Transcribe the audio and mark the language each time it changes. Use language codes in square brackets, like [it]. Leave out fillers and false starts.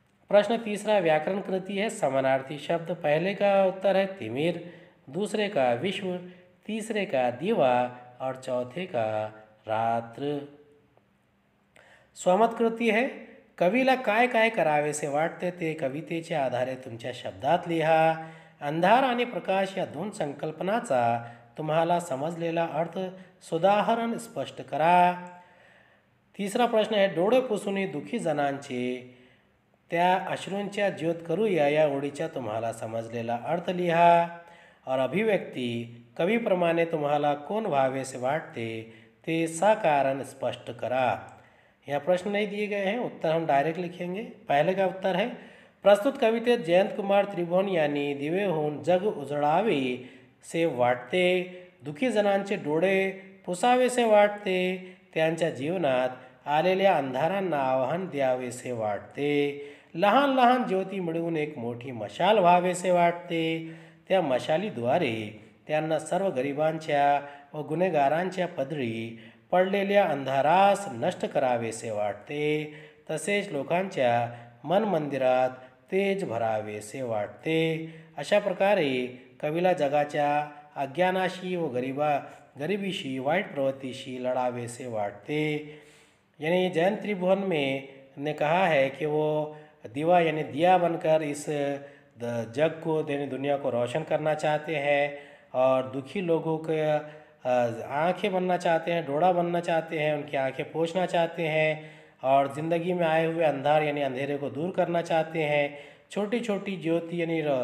[hi] प्रश्न तीसरा, व्याकरण कृति है समानार्थी शब्द, पहले का उत्तर है तिमिर, दूसरे का विश्व, तीसरे का दिवा और चौथे का रात्र। [mr] स्वमत कृति है कवीला काय काय करावे से वाटते ते कवितेचे आधारे तुमच्या शब्दात लिहा, अंधार आणि प्रकाश या दोन संकल्पनाचा तुम्हाला समजलेला अर्थ सुदाहरण स्पष्ट करा। [hi] तीसरा प्रश्न है [mr] डोळे पुसुनी दुखी जनांचे त्या अश्रूंच्या ज्योत करूया, या ओळीचा तुम्हाला समजलेला अर्थ लिहा, और अभिव्यक्ति कवीप्रमाणे तुम्हाला कोण व्हावे से वाटते ते साकारण स्पष्ट करा। [hi] यह प्रश्न नहीं दिए गए हैं, उत्तर हम डायरेक्ट लिखेंगे। पहले का उत्तर है [mr] प्रस्तुत कवितेत जयंत कुमार त्रिभुवन यानी दिवे होऊन जग उजळावे से वाटते, दुखी जनांचे डोळे पुसावे से वाटते, त्यांच्या जीवनात आलेल्या अंधारांना आवाहन द्यावे से वाटते, लहान लहान ज्योती मिळवून एक मोठी मशाल व्हावे से वाटते, त्या मशालीद्वारे त्यांना सर्व गरिबांच्या व गुन्हेगारांच्या पदरी पडलेल्या अंधारास नष्ट करावेसे वाटते, तसेच लोकांच्या मन मंदिरात तेज भरावेसे वाटते। अशा प्रकारे कवीला जगाच्या अज्ञानाशी व गरिबीशी वाईट प्रवृत्तीशी लढावेसे वाटते। [hi] यानी जयंत त्रिभुवन में ने कहा है कि वो दीवा यानी दिया बनकर इस जग को यानी दुनिया को रोशन करना चाहते हैं, और दुखी लोगों के आँखें बनना चाहते हैं, डोड़ा बनना चाहते हैं, उनकी आँखें पोछना चाहते हैं, और ज़िंदगी में आए हुए अंधार यानी अंधेरे को दूर करना चाहते हैं, छोटी छोटी ज्योति यानी